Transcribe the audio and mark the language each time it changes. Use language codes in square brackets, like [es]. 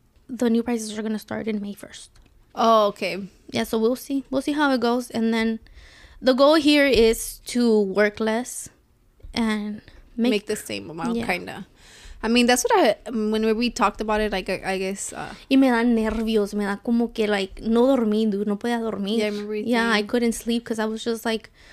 [en] The new prices are going to start in May 1st. Oh, okay. Yeah, so we'll see. We'll see how it goes. And then the goal here is to work less and make the same amount, yeah. Kind of. I mean, that's what I, when we talked about it, like, I guess. [es] Y me da nervios. Me da como que, [en] like, [es] no dormí, dude. No podía dormir. [en] Yeah, I remember. Yeah, I couldn't sleep because I was just like.